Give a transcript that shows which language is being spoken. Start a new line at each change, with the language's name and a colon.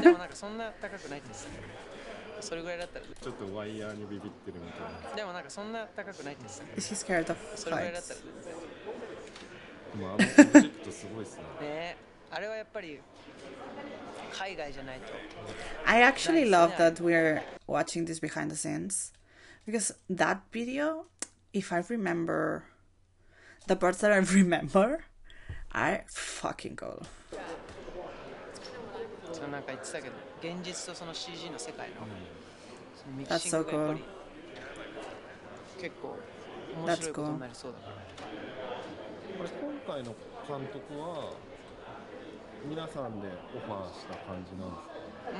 Japanese: でもなんかそんな高くないです。それぐらいだったら。ちょっとワイヤーにビビってるみたいな。でもなんかそんな高くないです。
English: Is he scared of heights?
Japanese: それぐらいだったら。でもあのプロジェクトすごいですね。ね、あれはやっぱり海外じゃないと。
English: I actually love that we're watching this behind the scenes, because that video, if I remember, the parts that I remember, are fucking cool.
Japanese: そのなんか言ってたけど、現実とその CG の世界の、そのミキシングがやっぱり結構面白いことになりそうだから。これ今回の監督は皆さんでオファーした感じなんですか？